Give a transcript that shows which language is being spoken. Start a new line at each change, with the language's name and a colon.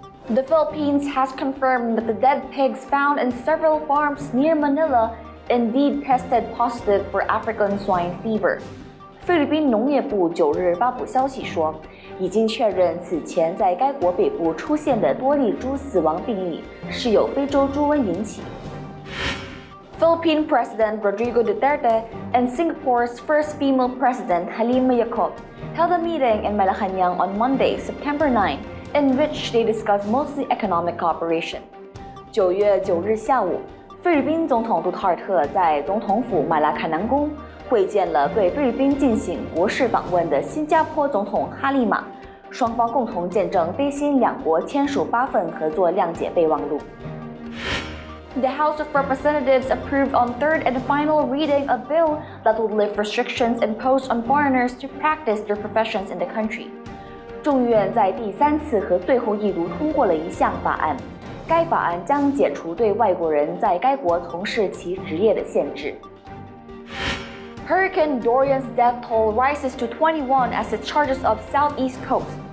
English: The Philippines has confirmed that the dead pigs found in several farms near Manila indeed tested positive for African swine fever.
Chinese: 菲律宾农业部九日发布消息说，已经确认此前在该国北部出现的多例猪死亡病例是由非洲猪瘟引起。
English: Philippine President Rodrigo Duterte and Singapore's first female president Halimah held a meeting in Malacañang on Monday, September 9, in which they discussed mostly economic cooperation.
Chinese: 九月九日下午，菲律宾总统杜特尔特在总统府马拉卡南宫会见了对菲律宾进行国事访问的新加坡总统哈利马，双方共同见证菲新两国签署八份合作谅解备忘录。
English: The House of Representatives approved on third and final reading a bill that would lift restrictions imposed on foreigners to practice their professions in the country.
Chinese: 众议院在第三次和最后一读通过了一项法案，该法案将解除对外国人在该国从事其职业的限制。
English: Hurricane Dorian's death toll rises to 21 as it charges up southeast coast.